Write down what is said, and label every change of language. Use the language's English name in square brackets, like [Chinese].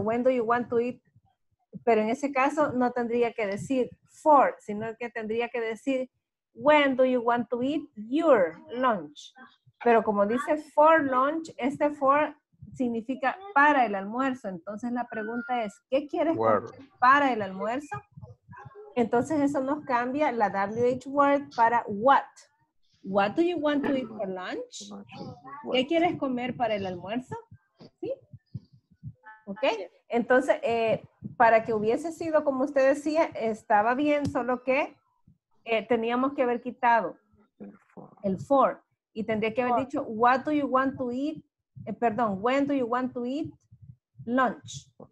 [English] When do you want to eat? [Spanish] Pero en ese caso no tendría que decir [English] for, sino que tendría que decir when do you want to eat your lunch. [Spanish] Pero como dice for lunch, este for significa para el almuerzo. Entonces la pregunta es, ¿qué quieres comer para el almuerzo? Entonces eso nos cambia la WH word para what. [English] What do you want to eat for lunch? [Spanish] ¿Qué quieres comer para el almuerzo? ¿Sí? ¿Ok? Entonces, para que hubiese sido como usted decía, estaba bien, solo que teníamos que haber quitado el for. Y tendría que haber dicho, [English] what do you want to eat? [Spanish] Perdón, [English] when do you want to eat lunch?